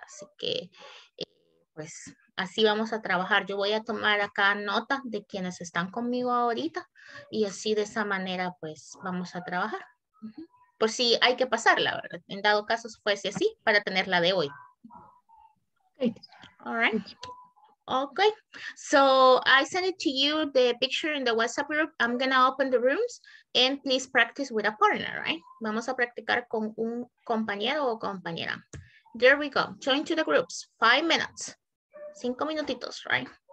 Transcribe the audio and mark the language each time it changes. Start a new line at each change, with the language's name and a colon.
Spanish: Así que, pues, así vamos a trabajar. Yo voy a tomar acá nota de quienes están conmigo ahorita. Y así, de esa manera, pues, vamos a trabajar. Por si hay que pasarla, ¿verdad? En dado caso, fuese así, para tenerla de hoy.
English: All right. Okay, so I sent it to you, the picture in the WhatsApp group. I'm gonna open the rooms and please practice with a partner, right?
Spanish: Vamos a practicar con un compañero o compañera.
English: There we go, join to the groups, 5 minutes.
Spanish: 5 minutitos,
English: right?